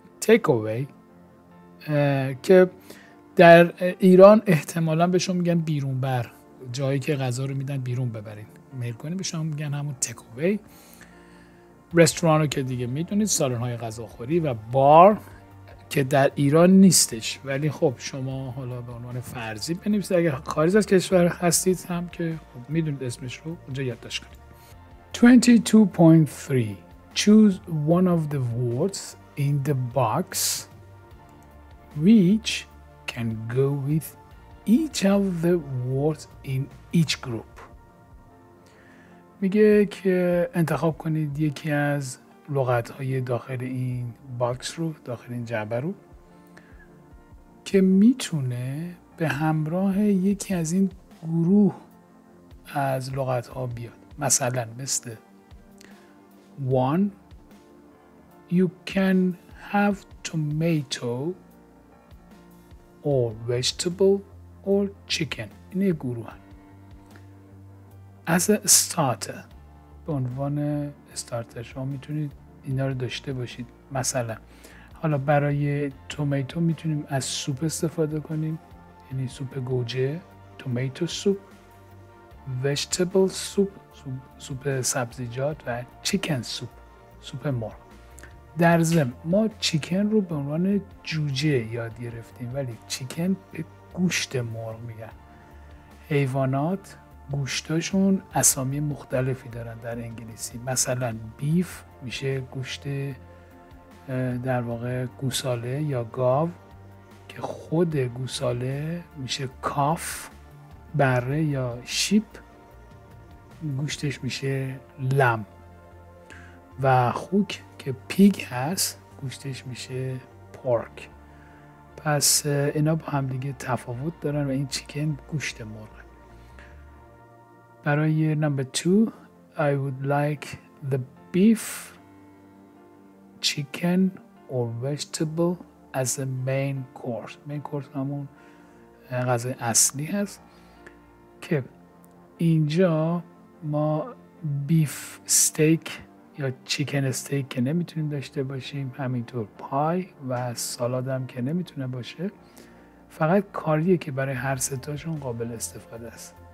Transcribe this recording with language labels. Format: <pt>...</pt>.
<fa>تیک اوی که در ایران احتمالاً به شما میگن بیرون بر، جایی که غذا رو میدن بیرون ببرین میل کنید، به شما میگن همون تیک اوی. رستوران رو که دیگه میدونید، سالن های غذاخوری. و بار که در ایران نیستش ولی خب شما حالا به عنوان فرضی بنویسید، اگر خارج از کشور هستید هم که خب میدونید اسمش رو اونجا یادداشت کنید.</fa> <en>22.3 Choose one of the words in the box which can go with each of the words in each group.</en> <fa>میگه که انتخاب کنید یکی از لغت‌های داخل این باکس رو، داخل این جعبه رو، که میتونه به همراه یکی از این گروه از لغت‌ها بیاد. مثلا مثل 1.</fa> <en>You can have tomato or vegetable or chicken.</en> <fa>این یک گروه هست.</fa> <en>As a starter،</en> <fa>به عنوان استارتر شما میتونید اینا رو داشته باشید. مثلا حالا برای تومیتو میتونیم از سوپ استفاده کنیم، یعنی سوپ گوجه، تومیتو سوپ، وجتبل سوپ، سوپ سبزیجات، و چیکن سوپ، سوپ مرغ. در ضمن ما چیکن رو به عنوان جوجه یاد گرفتیم ولی چیکن به گوشت مرغ میگن. حیوانات گوشتاشون اسامی مختلفی دارن در انگلیسی. مثلا بیف میشه گوشت در واقع گوساله یا گاو، که خود گوساله میشه کاف. بره یا شیپ گوشتش میشه لم. و خوک که پیگ هست گوشتش میشه پورک. پس اینا با هم دیگه تفاوت دارن و این چیکن گوشت مرغ. برای نمبر 2</fa> <en>I would like the beef, chicken or vegetable as a main course.</en> <fa>Main course همون غذای اصلی هست که اینجا ما بیف استیک یا چیکن استیک که نمیتونیم داشته باشیم، همینطور پای و سالاد هم که نمیتونه باشه، فقط کاریه که برای هر ستاشون قابل استفاده است.</fa>